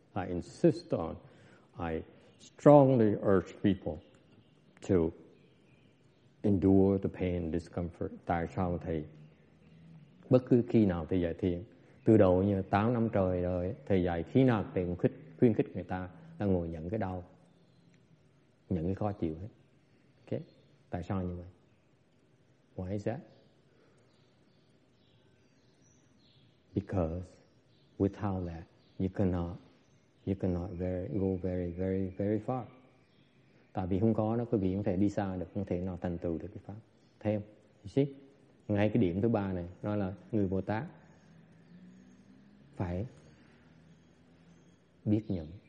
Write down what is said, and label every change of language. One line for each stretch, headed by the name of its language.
English: I insist on, I strongly urge people to endure the pain and discomfort.
Vietnamese: Tại sao thầy bất cứ khi nào thầy dạy thiền, từ đầu như 8 năm trời rồi, thầy dạy khi nào thầy cũng khuyến khích người ta đang ngồi nhận cái đau, nhận cái khó chịu hết. Ok, tại sao như vậy?
English: Why is that? Because without that, you cannot go very, very far.
Vietnamese: Tại vì không có nó, quý vị không thể đi xa được, không thể nào thành tựu được cái pháp. Thêm,
English: you see?
Vietnamese: Ngay cái điểm thứ ba này, nó là người Bồ Tát phải biết nhận.